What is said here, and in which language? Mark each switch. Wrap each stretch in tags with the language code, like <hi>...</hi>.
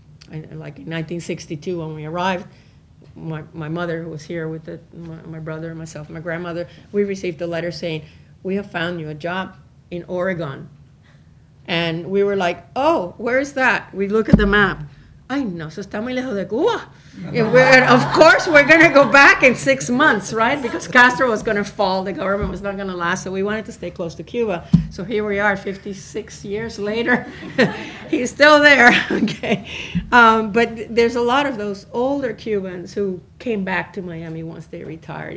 <en>And like in 1962 when we arrived, my mother, who was here with my brother and myself, my grandmother, we received a letter saying, we have found you a job in Oregon. And we were like, oh, where is that? We look at the map.</en> <es>ay, no, eso está muy lejos de Cuba.</es> <en>And of course, we're going to go back in 6 months, right? Because Castro was going to fall. The government was not going to last. So we wanted to stay close to Cuba. So here we are 56 years later. He's still there. Okay, but there's a lot of those older Cubans who came back to Miami once they retired.</en>